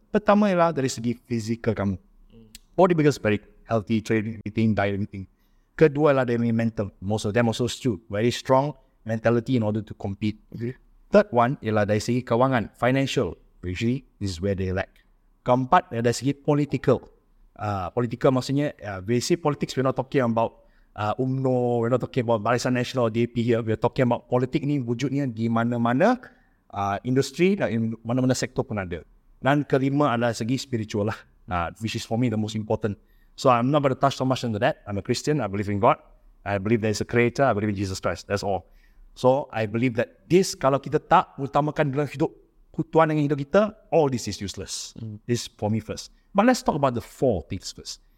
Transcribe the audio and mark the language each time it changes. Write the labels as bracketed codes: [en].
[ms] Pertama ialah dari segi fizikal kamu. [en] Bodybuilders very healthy, training, eating, diet, everything. [ms] Kedua lah dari mental. [en] Most of them also true. Very strong mentality in order to compete. Okay. [ms] Third one ialah dari segi kewangan. [en] Financial. Usually, this is where they lack. [ms] Keempat, dari segi political. [en] Political maksudnya, basic politics, we're not talking about UMNO, we're not talking about Barisan Nasional, DAP here. We're talking about [ms] politik ni wujudnya di mana-mana industri dan in mana-mana sektor pun ada. Dan kelima adalah segi spiritual lah. [en] Which is for me the most important. So I'm not going to touch so much into that. I'm a Christian. I believe in God. I believe there is a creator. I believe in Jesus Christ. That's all. So I believe that this, [ms] kalau kita tak utamakan dalam hidup, kutuan dengan hidup kita, [en] all this is useless. This for me first. But let's talk about the four things first.